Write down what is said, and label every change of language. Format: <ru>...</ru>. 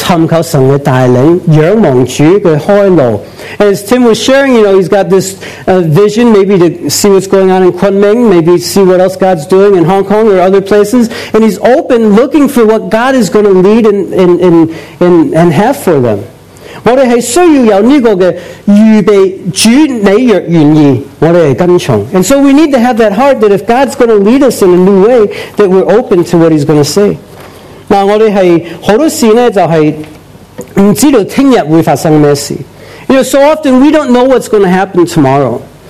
<zh>刚才听听Tim分享呢，即是他有新的意象，是不是去昆明，是不是服侍其他人，他寻求神的带领，仰望主，他开路。</zh> <en>As Tim was sharing, you know, he's got this vision maybe to see what's going on in Kunming, maybe see what else God's doing in Hong Kong or other places, and he's open looking for what God is going to lead and have for them.</en> <zh>我们是需要有这个预备，主你若愿意，我们是跟从。</zh> <en>And so we need to have that heart that if God's going to lead us in a new way, that we're open to what he's going to say.</en> <zh>我们是很多事呢，就是不知道明天会发生什么事。</zh> <en>You know, so often we don't know what's going to happen tomorrow.</en>